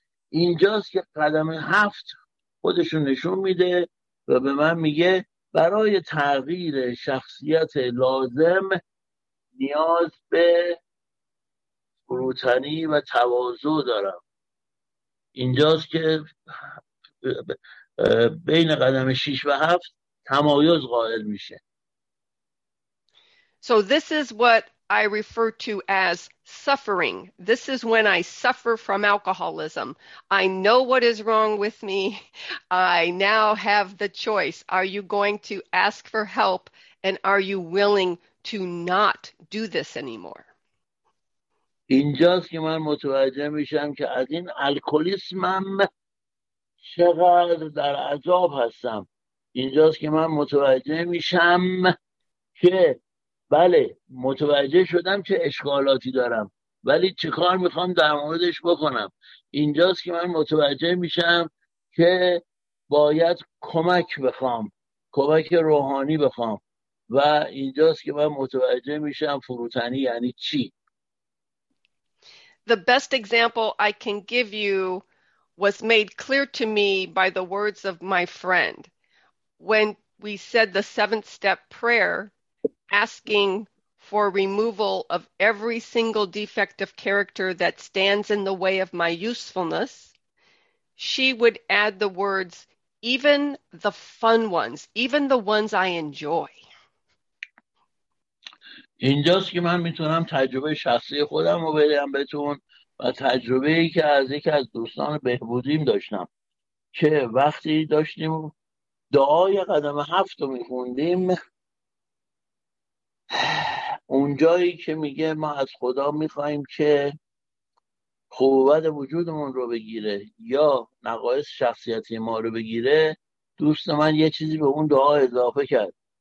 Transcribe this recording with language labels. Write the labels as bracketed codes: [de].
[fa] اینجاست که قدم 7 خودشو نشون میده و به من میگه برای تغییر شخصیت لازم نیاز به فروتنی و تواضع دارم. اینجاست که بین قدم 6 و 7 تمایز قائل میشه. [en] So this is what I refer to as suffering. This is when I suffer from alcoholism. I know what is wrong with me. I now have the choice. Are you going to ask for help? And are you willing to not do this anymore? [fa] اینجاست که من متوجه میشم که از این الکلیسمم چقدر در عذاب هستم. اینجاست که من متوجه میشم که بله، متوجه شدم که اشکالاتی دارم، ولی چه کار میخوام در موردش بکنم. اینجاست که من متوجه میشم که باید کمک بخوام، کمک روحانی بخوام، و اینجاست که من متوجه میشم فروتنی یعنی چی. [en] The best example I can give you was made clear to me by the words of my friend when we said the seventh step prayer, asking for removal of every single defect of character that stands in the way of my usefulness. She would add the words, even the fun ones, even the ones I enjoy. [fa] اینجاست که من میتونم تجربه شخصی خودم رو بگم بهتون و تجربه‌ای که از یکی از دوستان بهبودیم داشتم که وقتی داشتیم دعای قدم 7 رو میخوندیم، اونجایی که میگه ما از خدا میخواییم که خوبت وجودمون رو بگیره یا نقایص شخصیتی ما رو بگیره، دوست من یه چیزی به اون دعا اضافه کرد.